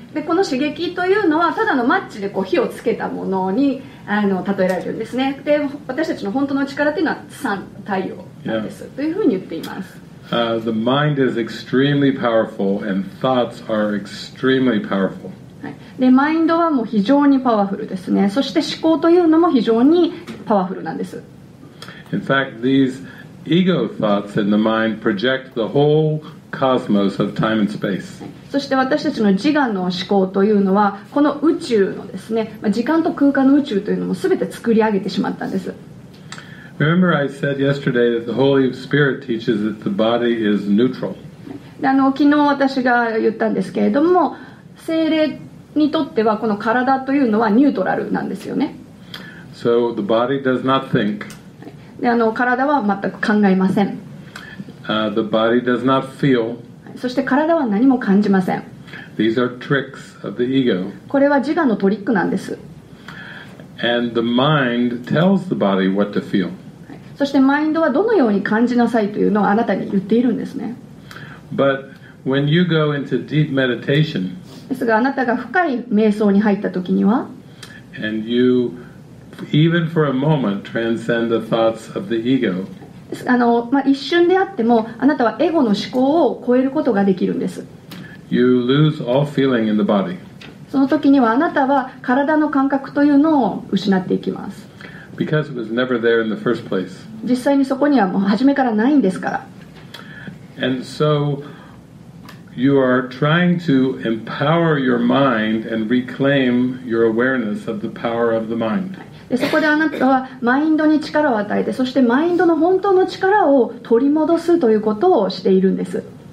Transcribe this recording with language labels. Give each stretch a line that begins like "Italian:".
Japanese: で、この刺激というのはただのマッチでこう火をつけたものに例えられるんですね。で、私たちの本当の力というのは sun、太陽なんです、yeah. というふうに言っています。
English: The mind is extremely powerful and thoughts are extremely powerful.
Japanese: で、マインドはもう非常にパワフルですね。そして思考というのも非常にパワフルなんです。
English: In fact, these ego thoughts in the mind project the whole cosmos of time and space.
Japanese: そして私たちの自我の思考というのは、この宇宙のですね、時間と空間の宇宙というのも全て作り上げてしまったんです。
English: Remember, I said yesterday that the Holy Spirit teaches that the body is neutral.
Japanese: 昨日私が言ったんですけれども、聖霊にとってはこの体というのはニュートラルなんですよね。
English: So the body does not think.
Japanese: 体は全く考えません。
English: The body does not feel.
Japanese: そして体は何も感じません。
English: These are tricks of the ego.
Japanese: これは自我のトリックなんです。
English: And the mind tells the body what to feel.
Japanese: そしてマインドはどのように感じなさいというのをあなたに言っているんですね。
English: But when you go into deep meditation,
Japanese: ですがあなたが深い瞑想に入った時には、
English: and you even for a moment transcend the thoughts of the ego.
Japanese: ですが一瞬であってもあなたはエゴの思考を超えることができるんです。
English: You lose all feeling in the body.
Japanese: その時にはあなたは体の感覚というのを失っていきます。
English: Because it was never there in the first place.
Japanese: 実際にそこにはもう初めからないんですから。
English: And so you are trying to empower your mind and reclaim your awareness of the power of the mind.
Japanese: でそこであなたはマインドに力を与えて、そしてマインドの本当の力を取り戻すということをしているんです。